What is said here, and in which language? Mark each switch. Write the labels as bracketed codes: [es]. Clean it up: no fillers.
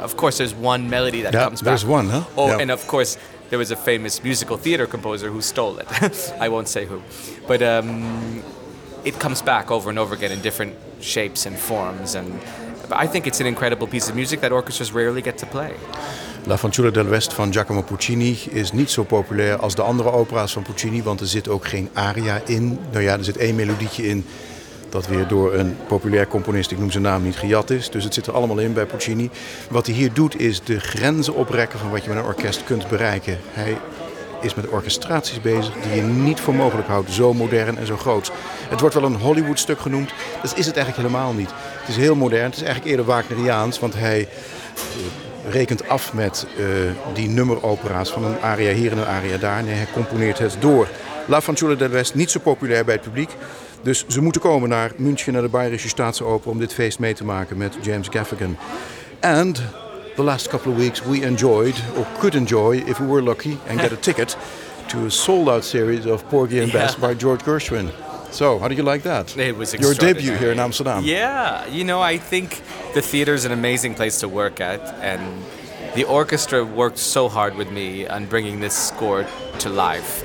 [en] Of course, there's one melody that comes back. There's one, huh? Oh, yep. And of course, there was a famous musical theater composer who stole it. I won't say who. But it comes back over and over again in different shapes and forms. And but I think it's an incredible piece of music that orchestras rarely get to play. [nl] La Fanciulla dell'Ovest van Giacomo Puccini is niet zo populair als de andere opera's van Puccini, want er zit ook geen aria in. Nou ja, er zit één melodietje in dat weer door een populair componist, ik noem zijn naam niet, gejat is. Dus het zit er allemaal in bij Puccini. Wat hij hier doet is de grenzen oprekken van wat je met een orkest kunt bereiken. Hij is met orchestraties bezig die je niet voor mogelijk houdt, zo modern en zo groot. Het wordt wel een Hollywood-stuk genoemd, dat is het eigenlijk helemaal niet. Het is heel modern, het is eigenlijk eerder Wagneriaans, want hij rekent af met die nummeropera's van een aria hier en een aria daar. Nee, hij componeert het door. La Fanciulla dell'Ovest, niet zo populair bij het publiek. Dus ze moeten komen naar München, naar de Bayerische Staatsoper, om dit feest mee te maken met James Gaffigan. [en] And the last couple of weeks we enjoyed, or could enjoy, if we were lucky, and get a ticket to a sold-out series of Porgy and Bess by George Gershwin. So, how did you like that? It was extraordinary. Your debut here in Amsterdam. Yeah, you know, I think the theater is an amazing place to work at, and the orchestra worked so hard with me on bringing this score to life.